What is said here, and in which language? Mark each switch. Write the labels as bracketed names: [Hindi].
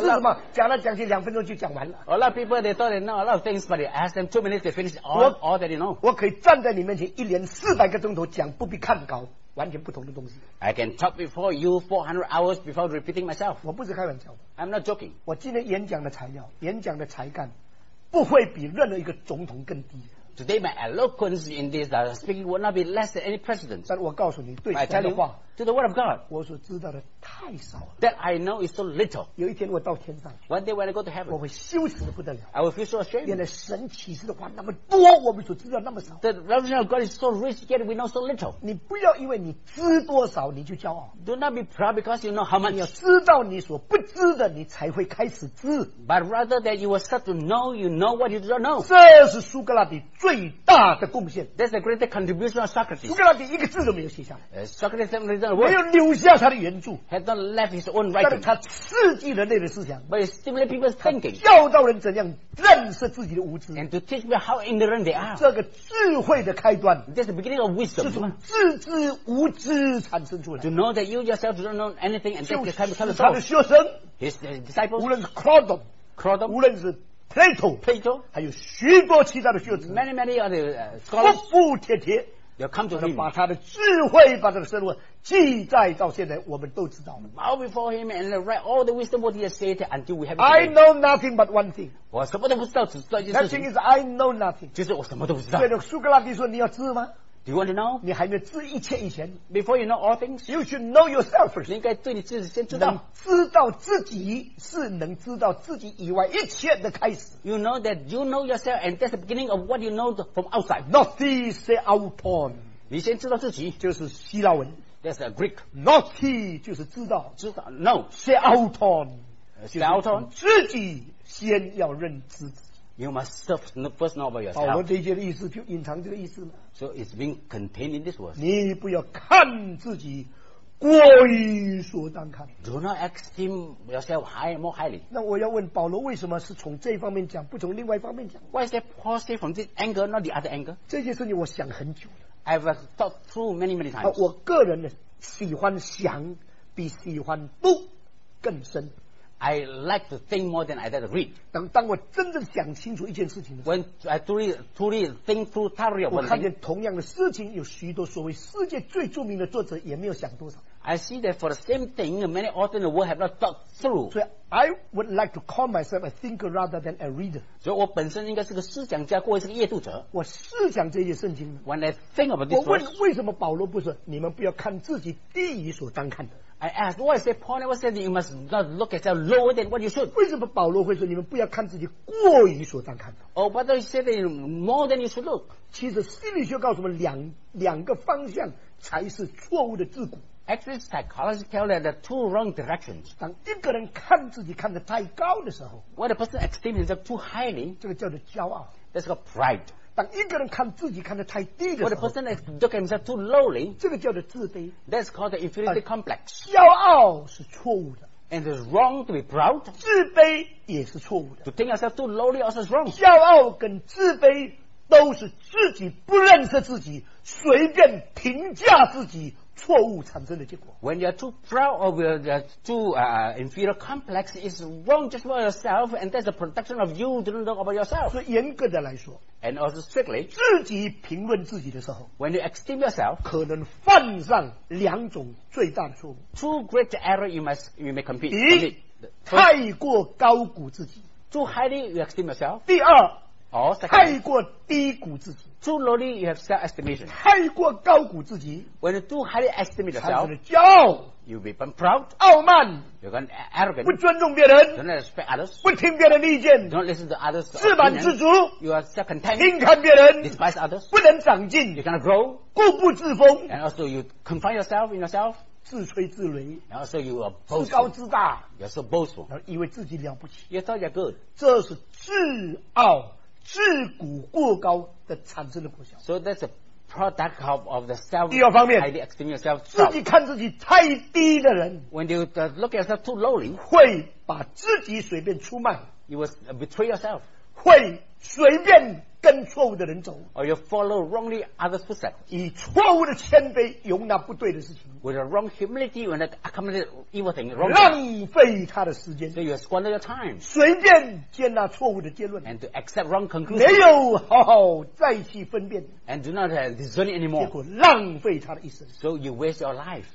[Chinese] 现在很多青年人学了一点点，因为我知，你知什么？讲了讲去两分钟就讲完了。 [English] A lot of people they thought they know a lot of things, but they ask them 2 minutes to finish all that you know. [Chinese] 我可以站在你面前一连400个钟头讲不比看稿完全不同的东西。 [English] I can talk before you 400 hours before repeating myself. [Chinese] 我不是开玩笑。 [English] I'm not joking. [Chinese] 我今天演讲的材料，演讲的才干。不会比任何一个总统更低。 [English] Today my eloquence in this speaking will not be less than any president. [Chinese] 但我告诉你对神的话 [English] to the word of God, [Chinese] 我所知道的太少了 [English] that I know is so little. [Chinese] 有一天我到天上 [English] one day when I go to heaven, [Chinese] 我会羞耻得不得了 [English] I will feel so ashamed. [Chinese] 原来神启示的话那么多我们所知道那么少 [English] the revelation of God is so rich yet we know so little. [Chinese] 你不要因为你知多少你就骄傲 [English] do not be proud because you know how much. [Chinese] 你要知道你所不知的你才会开始知 [English] but rather that you will start to know you know what you don't know. [Chinese] 这是苏格拉底最大的贡献 [English] That's the greatest contribution of Socrates [Chinese] 苏格拉底一个字都没有写下来 [English] Socrates never written a word [Chinese] 没有留下他的原著 [English] Had not left his own writing [Chinese] 但是他刺激人类的思想 [English] But he stimulated people's thinking [Chinese] 教导人怎样认识自己的无知 [English] And to teach people how ignorant they are [Chinese] 这个智慧的开端 [English] That's the beginning of wisdom [Chinese] 是从自知无知产生出来 [English] To know that you yourself don't know anything and that's the kind of thought [Chinese] 就是他的学生 [English] His disciples [Chinese] 无论是 Claudon [English] Claudon [Chinese] 无论是Plato, [English] Plato, [Chinese] 还有许多其他的学者 [English] many many other scholars, [Chinese] 服服帖帖 [English] they'll come to him, [Chinese] 把他的智慧把他的生活记载到现在我们都知道 [English] bow before him and write all the wisdom what he has said until we have I know nothing but one thing [Chinese] 我什么都不知道只知道一件事情 [English] that thing is I know nothing [Chinese] 就是我什么都不知道所以苏格拉底说你要知吗 [English] Do you want to know? [Chinese] 你还没有知一切以前 [English] Before you know all things You should know yourself first [Chinese] 你应该对你自己先知道能知道自己是能知道自己以外一切的开始 [English] You know that you know yourself And that's the beginning of what you know from outside [Greek] Nothi se auton [Chinese] 你先知道自己就是希腊文 [English] That's a Greek [Chinese] Nothi 就是知道知道 No [Greek] Se auton Se auton [Chinese] 自己先要认知自己 [English] You must first know about yourself. [Chinese] 保罗这一节的意思就隐藏这个意思了。 [English] So it's being contained in this word. [Chinese] 你不要看自己过于所当看。 [English] Do not esteem yourself more highly. [Chinese] 那我要问保罗为什么是从这方面讲，不从另外一方面讲 [English] ？Why is that positive from this angle, not the other angle? [Chinese] 这件事情我想很久了。 [English] I've thought through many, many times. [Chinese] 我个人的喜欢想比喜欢读更深。 [English] I like to think more than I like to read. [Chinese] 当我真正想清楚一件事情的时候 [English] When I truly think through thoroughly of one thing, [Chinese] 我看见同样的事情有许多所谓世界最著名的作者也没有想多少。 [English] I see that for the same thing, many authors in the world have not thought through. So I would like to call myself a thinker rather than a reader. [Chinese] 所以我本身应该是个思想家，或者是个阅读者。我思想这些圣经。 [English] When I think about this, [Chinese] 我问为什么保罗不是？你们不要看自己低于所当看的。 [English] I asked, what is the point? I was saying you must not look at yourself lower than what you should. [Chinese] 为什么保罗会说你们不要看自己过于所当看的 [English] Oh, but he said that more than you should look. [Chinese] 其实心理学告诉我们两个方向才是错误的桎梏 [English] Actually, psychology tells that there are two wrong directions. [Chinese] 当一个人看自己看得太高的时候 [English] When a person esteems himself too highly, [Chinese] 这个叫做骄傲 [English] That's called pride. [Chinese] 当一个人看自己看得太低的时候 [English] look himself too lowly, [Chinese] 这个叫做自卑 [English] That's called the inferiority complex [Chinese] 骄傲是错误的 [English] And it's wrong to be proud [Chinese] 自卑也是错误的 [English] To think yourself too lowly also is wrong [Chinese] 骄傲跟自卑都是自己不认识自己随便评价自己错误产生的结果 [English] When you're too proud or you're inferior complex is wrong just about yourself and that's the production of you don't know about yourself [Chinese] 所以严格的来说 [English] And also strictly [Chinese] 自己评论自己的时候 [English] When you esteem yourself [Chinese] 可能犯上两种最大的错误 [English] Two great errors you may compete [Chinese] 一 太过高估自己 [English] Too highly you esteem yourself [Chinese] 第二 [English] or second, [Chinese] 太过低估自己 [English] Too lowly you have self-estimation. [Chinese] 太过高估自己 [English] When you too highly estimate yourself, [Chinese] 产生了骄傲 [English] you become proud, [Chinese] 傲慢 [English] you become arrogant, [Chinese] 不尊重别人 [English] don't respect others, [Chinese] 不听别人的意见 [English] don't listen to others, [Chinese] 自满自足 [English] you are self-content, [Chinese] 轻看别人 [English] despise others, [Chinese] 不能长进 [English] you cannot grow, [Chinese] 固步自封 [English] and also you confine yourself in yourself, [Chinese] 自吹自擂 [English] and also you are boastful, [Chinese] 自高自大 [English] you are so boastful, [Chinese] 然后以为自己了不起 [English] you thought you're good, [Chinese] 这是自傲自古过高的产生的果效 [English] So that's a product of the self [Chinese] 第二方面 [English] highly esteeming yourself [Chinese] 自己看自己太低的人 [English] When you look at yourself too lowly [Chinese] 会把自己随便出卖 [English] You will betray yourself [Chinese] 会随便跟错误的人走 [English] Or you follow wrongly other's footsteps [Chinese] 以错误的谦卑容纳不对的事情 [English] With a wrong humility you will accommodate evil things [Chinese] 浪费他的时间 [English] So you squander your time [Chinese] 随便接纳错误的结论 [English] And to accept wrong conclusions [Chinese] 没有好好再去分辨 [English] And do not discern it anymore [Chinese] 结果浪费他的一生 [English] So you waste your life